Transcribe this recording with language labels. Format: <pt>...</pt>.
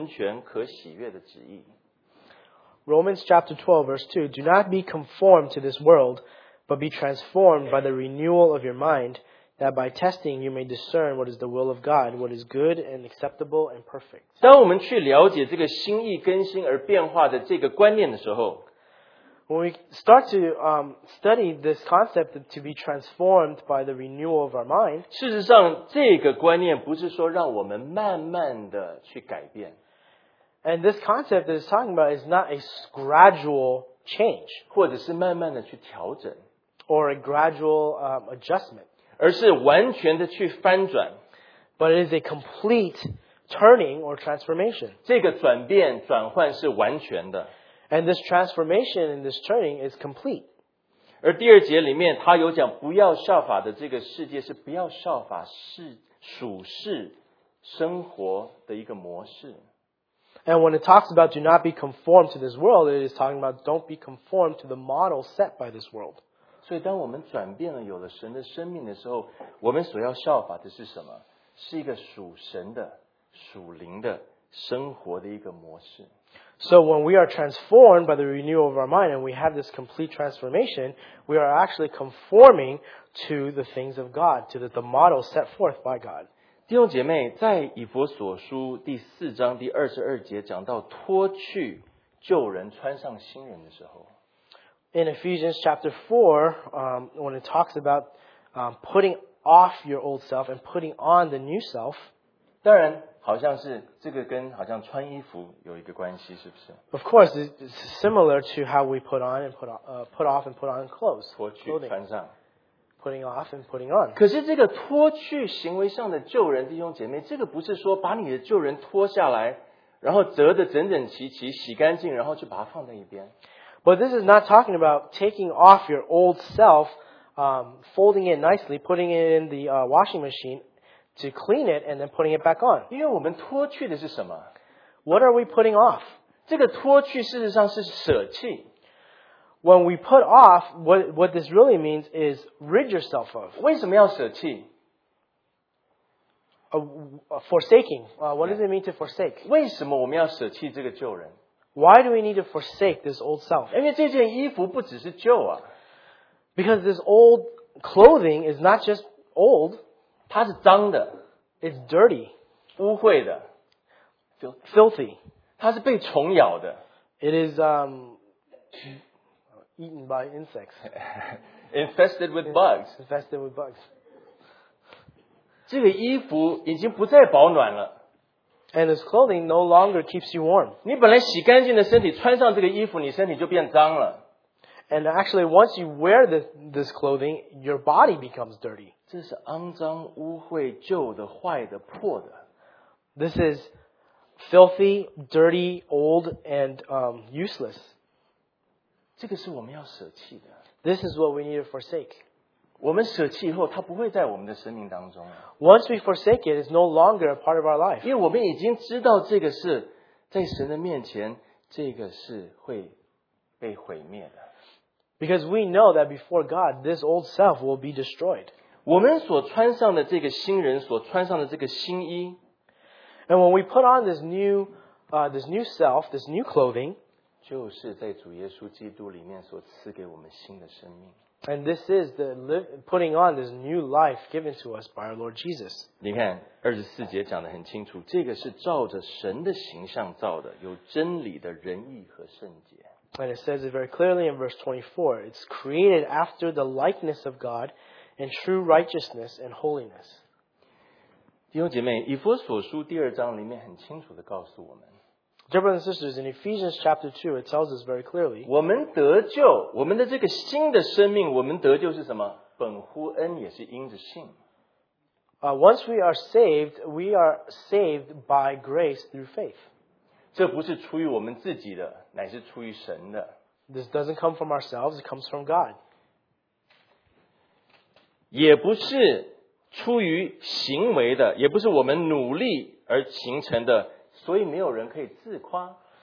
<zh>不要效法这个世界，只要心意更新而变化，使你们能够查验何为神的善良、纯全、可喜悦的旨意。Romans</zh> <en>chapter 12, verse 2. Do not be conformed to this world, but be transformed by the renewal of your mind, that by testing you may discern what is the will of God, what is good and acceptable and perfect.</en> <zh>当我们去了解这个心意更新而变化的这个观念的时候，</zh> <en>when we start to study this concept to be transformed by the renewal of our mind,</en> <zh>事实上这个观念不是说让我们慢慢的去改变。</zh> <en>And this concept that it's talking about is not a gradual change,</en> <zh>或者是慢慢的去调整，</zh> <en>or a gradual adjustment,</en> <zh>而是完全的去翻转，</zh> <en>but it is a complete turning or transformation.</en> <zh>这个转变转换是完全的，</zh> <en>and this transformation and this turning is complete.</en> <zh>而第二节里面他有讲不要效法的这个世界是不要效法世属世生活的一个模式。</zh> <en>And when it talks about do not be conformed to this world, it is talking about don't be conformed to the model set by this world.</en> <zh>所以当我们转变了有了神的生命的时候，我们所要效法的是什么？是一个属神的、属灵的生活的一个模式。</zh> <en>So when we are transformed by the renewal of our mind and we have this complete transformation, we are actually conforming to the things of God, to the model set forth by God.</en> <zh>弟兄姐妹，在以弗所书第四章第二十二节讲到脱去旧人穿上新人的时候，</zh> <en>In Ephesians chapter 4, when it talks about putting off your old self and putting on the new self,</en> <zh>当然好像是这个跟好像穿衣服有一个关系，是不是？</zh> <en>Of course, it's similar to how we put on and put off and put on clothes.</en> <zh>脱去穿上。</zh> <en>Putting off and putting on.</en> <zh>可是这个脱去行为上的旧人，弟兄姐妹，这个不是说把你的旧人脱下来，然后折得整整齐齐，洗干净，然后就把它放在一边。</zh> <en>But this is not talking about taking off your old self, folding it nicely, putting it in the washing machine to clean it, and then putting it back on.</en> <zh>因为我们脱去的是什么？</zh> <en>What are we putting off?</en> <zh>这个脱去事实上是舍弃。</zh> <en>When we put off, what this really means is rid yourself of.</en> <zh>为什么要舍弃？</zh> <en>Forsaking. What does it mean to forsake?</en> <zh>为什么我们要舍弃这个旧人？</zh> <en>Why do we need to forsake this old self?</en> <zh>因为这件衣服不只是旧啊。</zh> <en>Because this old clothing is not just old.</en> <zh>它是脏的。</zh> <en>It's dirty.</en> <zh>污秽的。</zh> <en>Filthy.</en> <zh>它是被虫咬的。</zh> <en>It is, eaten by insects. Infested with bugs. Infested with bugs.</en> <zh>这个衣服已经不再保暖了。</zh> <en>And this clothing no longer keeps you warm.</en> <zh>你本来洗干净的身体穿上这个衣服，你身体就变脏了。</zh> <en>And actually, once you wear this clothing, your body becomes dirty.</en> <zh>这是肮脏、污秽、旧的、坏的、破的。</zh> <en>This is filthy, dirty, old, and useless.</en> <zh>这个是我们要舍弃的。</zh> <en>This is what we need to forsake.</en> <zh>我们舍弃以后，它不会在我们的生命当中。</zh> <en>Once we forsake it, it's no longer a part of our life.</en> <zh>因为我们已经知道这个是在神的面前，这个是会被毁灭的。</zh> <en>Because we know that before God, this old self will be destroyed.</en> <zh>我们所穿上的这个新人，所穿上的这个新衣。</zh> <en>And when we put on this new self, this new clothing,</en> <zh>就是在主耶稣基督里面所赐给我们新的生命。</zh> <en>And this is the putting on this new life given to us by our Lord Jesus.</en> <zh>你看24节讲得很清楚，这个是照着神的形象造的，有真理的仁义和圣洁。</zh> <en>And it says it very clearly in verse 24, it's created after the likeness of God in true righteousness and holiness.</en> <zh>弟兄姐妹，以弗所书第二章里面很清楚地告诉我们，</zh> <en>Dear brothers and sisters, in Ephesians chapter 2, it tells us very clearly,</en> <zh>我们得救，我们的这个新的生命，我们得救是什么？本乎恩，也是因着信。</zh> <en>Once we are saved, we are saved by grace through faith.</en> <zh>这不是出于我们自己的，乃是出于神的。</zh> <en>This doesn't come from ourselves, it comes from God.</en> <zh>也不是出于行为的，也不是我们努力而形成的，所以没有人可以自夸。</zh>